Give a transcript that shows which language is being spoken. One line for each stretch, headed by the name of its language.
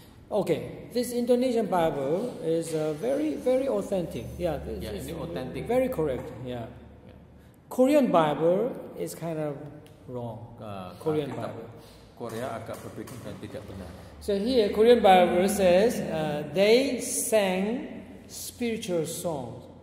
English: Okay, this Indonesian Bible is very, very authentic. Yeah, it's authentic. Very correct. Yeah. Korean Bible is kind of wrong. Korean Bible.
Indonesian: Korea agak berbeda dan tidak benar.
English: So here, Korean Bible says they sang spiritual songs.